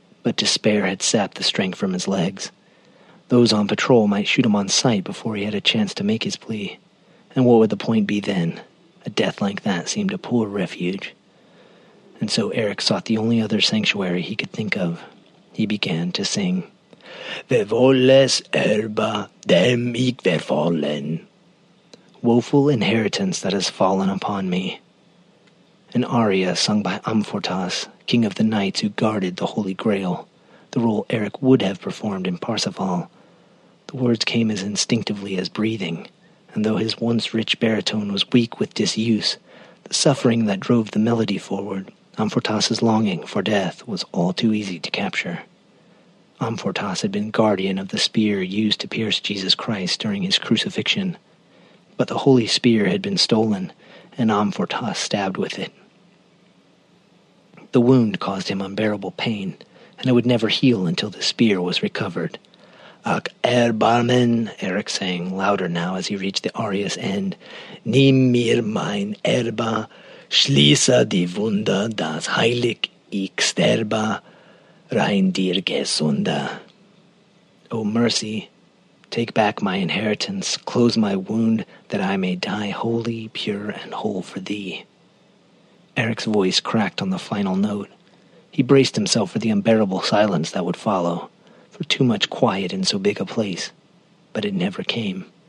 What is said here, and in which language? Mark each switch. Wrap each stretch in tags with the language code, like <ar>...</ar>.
<en>But despair had sapped the strength from his legs. Those on patrol might shoot him on sight before he had a chance to make his plea. And what would the point be then? A death like that seemed a poor refuge. And so Eric sought the only other sanctuary he could think of. He began to sing.</en> <de>Wer volles Erbe, dem ich verfallen.</de> <en>Woeful inheritance that has fallen upon me. An aria sung by Amfortas, king of the knights who guarded the Holy Grail, the role Eric would have performed in Parsifal. The words came as instinctively as breathing, and though his once rich baritone was weak with disuse, the suffering that drove the melody forward, Amfortas's longing for death, was all too easy to capture. Amfortas had been guardian of the spear used to pierce Jesus Christ during his crucifixion, but the holy spear had been stolen, and Amfortas stabbed with it. The wound caused him unbearable pain, and it would never heal until the spear was recovered.</en> <de>Ach, Erbarmen,</de> <en>Eric sang louder now as he reached the aria's end.</en> <de>Nimm mir mein Erbe, schließe die Wunde, das heilig ich sterbe, rein dir gesunde.</de> <en>O mercy, take back my inheritance, close my wound, that I may die holy, pure, and whole for thee. Eric's voice cracked on the final note. He braced himself for the unbearable silence that would follow, for too much quiet in so big a place, but it never came.</en>